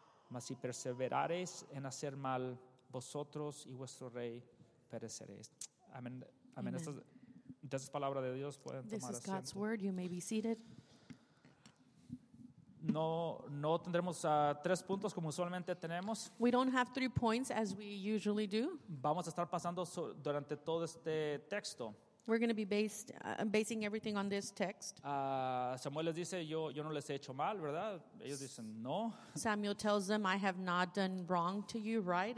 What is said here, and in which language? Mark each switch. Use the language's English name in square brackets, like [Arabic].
[Spanish] Mas si perseverareis en hacer mal, vosotros y vuestro rey pereceréis. Amén. Amén. Esta es palabra de Dios. Pueden tomar asiento. [English] This is God's word. You may be seated. [Spanish] No tendremos tres puntos como usualmente tenemos. [English] We don't have three points as we usually do. [Spanish] Vamos a estar pasando durante todo este texto. [English] We're going to be basing everything on this text. [Spanish] Samuel les dice, yo no les he hecho mal, ¿verdad? Ellos dicen, no. [English] Samuel tells them, I have not done wrong to you, right?